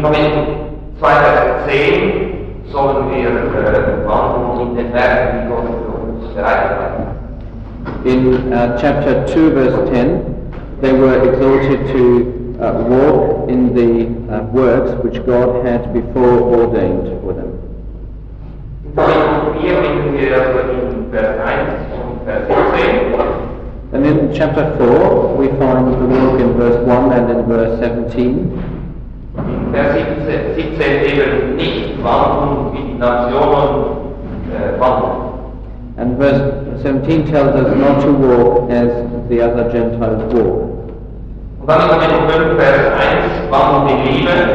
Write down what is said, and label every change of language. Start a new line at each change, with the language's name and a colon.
English: chapter 2, verse 10, they were exhorted to walk in the works which God had before ordained for them. And in chapter 4, we find the walk in verse 1 and in verse 17.
German: In Vers 17 eben nicht wandeln wie die Nationen wandeln.
English: And verse 17 tells us not to walk as the other Gentiles walk.
German: Und dann in Kapitel 5, Vers 1, wandeln in Liebe.